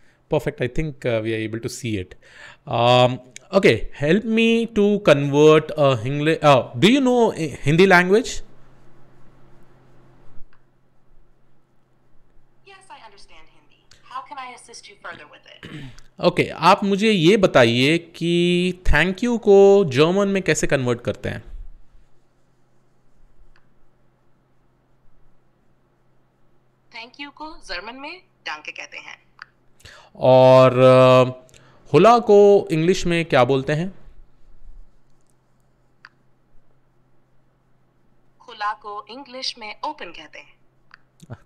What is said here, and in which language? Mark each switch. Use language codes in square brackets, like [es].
[en] Perfect. I think we are able to see it. Okay, help me to convert a Hindi. Do you know Hindi language? Yes, I understand Hindi. How can I assist you further with it? [hi] Okay, आप मुझे ये बताइए कि thank you को German में कैसे convert करते हैं? Thank you को German में danke कहते हैं. और होला को इंग्लिश में क्या बोलते हैं? खुला को इंग्लिश में ओपन कहते हैं.